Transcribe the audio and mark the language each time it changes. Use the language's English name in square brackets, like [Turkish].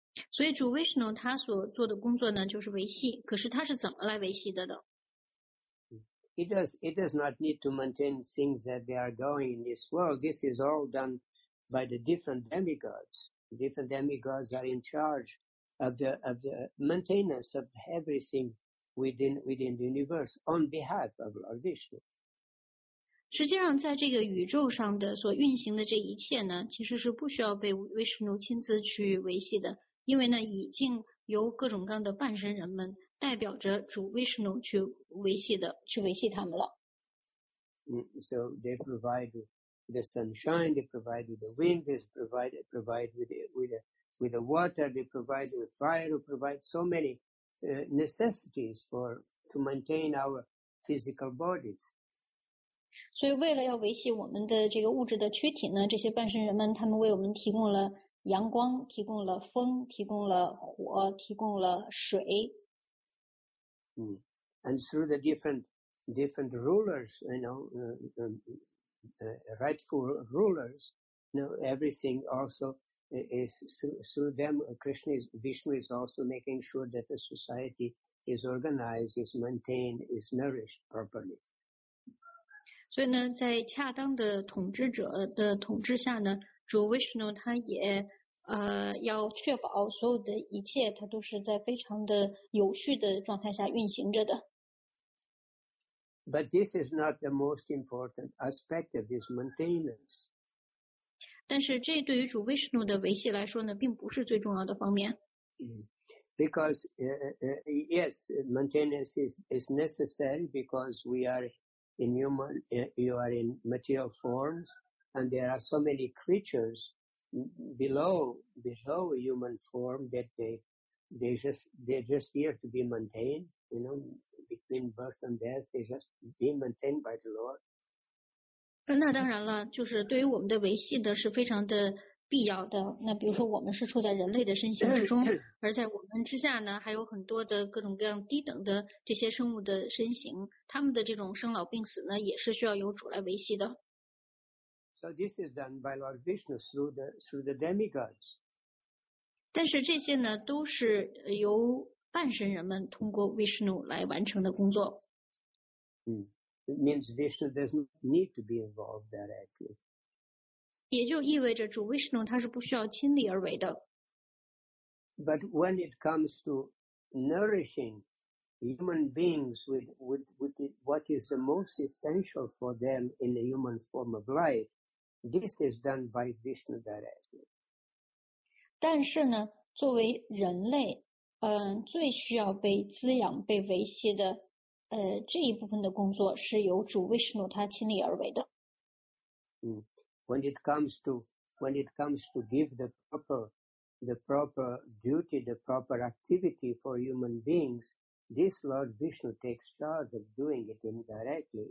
[Chinese] 所以主 Vishnu 他所做的工作呢，就是维系。可是他是怎么来维系的呢 [English] it does not need to maintain things that they are going in this world. This is all done by the different demigods. The different demigods are in charge of the maintenance of everything within the universe on behalf of Lord Vishnu. [Chinese] 实际上在这个宇宙上的所运行的这一切呢，其实是不需要被维什奴亲自去维系的，因为呢已经由各种各样的半神人们代表着主维什奴去维系的，去维系他们了。 [English] So they provide the sunshine, they provide the wind, they provide with the water, they provide with fire, they provide so many necessities to maintain our physical bodies. [Chinese] 所以为了要维系我们的这个物质的躯体呢，这些半神人们他们为我们提供了阳光，提供了风，提供了火，提供了水。 [English] And through the different rulers, you know, rightful rulers, you know, everything also is through them, Vishnu is also making sure that the society is organized, is maintained, is nourished properly. [Chinese] 所以呢，在恰当的统治者的统治下呢，主 Vishnu 他也要确保所有的一切，他都是在非常的有序的状态下运行着的。 [English] But this is not the most important aspect of his maintenance. [Chinese] 但是这对于主 Vishnu 的维系来说呢，并不是最重要的方面。 [English] Because yes, maintenance is necessary because we are. In human, you are in material forms, and there are so many creatures below human form that they're just here to be maintained. You know, between birth and death, they just be maintained by the Lord. [Chinese] 那当然了，就是对于我们的维系的是非常的必要的。那比如说，我们是处在人类的身形之中，而在我们之下呢，还有很多的各种各样低等的这些生物的身形，他们的这种生老病死呢，也是需要由主来维系的。 [English] So this is done by Lord Vishnu through the demigods. [Chinese] 但是这些呢，都是由半神人们通过 Vishnu 来完成的工作。 [English] It means Vishnu doesn't need to be involved directly. [Chinese] 也就意味着主 Vishnu 他是不需要亲力而为的。 [English] But when it comes to nourishing human beings with what is the most essential for them in the human form of life, this is done by Vishnu directly. [Chinese] 但是呢，作为人类，最需要被滋养、被维系的，这一部分的工作是由主 Vishnu 他亲力而为的。 [English] When it comes to give the proper duty, the proper activity for human beings, this Lord Vishnu takes charge of doing it indirectly.